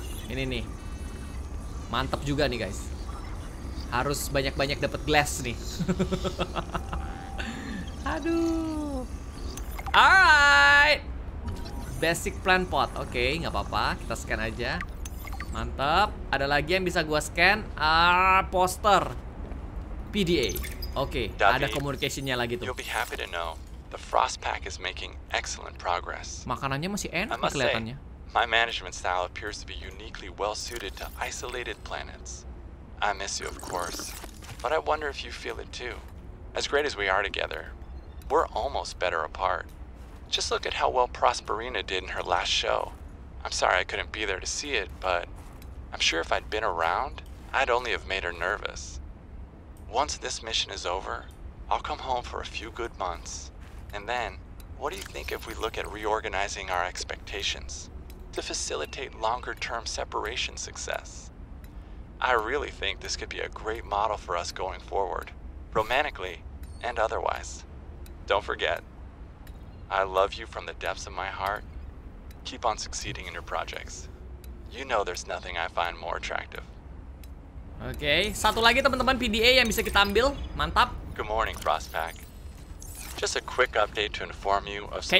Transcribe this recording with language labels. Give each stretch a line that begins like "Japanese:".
Indonesian: Ini nih. Mantap juga nih, guys. Harus banyak-banyak dapet glass nih. Aduh. Alright. Basic plant pot. Oke, nggak apa-apa. Kita scan aja. Mantap. Ada lagi yang bisa gua scan. Poster. PDA. Oke, okay, ada communication-nya lagi tuh.
English: You'll be happy to know the frost pack is making excellent progress.
Indonesian: Makanannya masih enak nih, kelihatannya.
English: My management style appears to be uniquely well suited to isolated planets. I miss you, of course. But I wonder if you feel it too. As great as we are together, we're almost better apart. Just look at how well Prosperina did in her last show. I'm sorry I couldn't be there to see it, but I'm sure if I'd been around, I'd only have made her nervous. Once this mission is over, I'll come home for a few good months. And then, what do you think if we look at reorganizing our expectations to facilitate longer-term separation success? I really think this could be a great model for us going forward, romantically and otherwise. Don't forget, I love you from the depths of my heart. Keep on succeeding in your projects. You know there's nothing I find more attractive.
Indonesian: Oke, satu lagi teman-teman PDA yang bisa kita ambil. Mantap.
English: Good morning, Frostpack. Just a quick update to inform you of some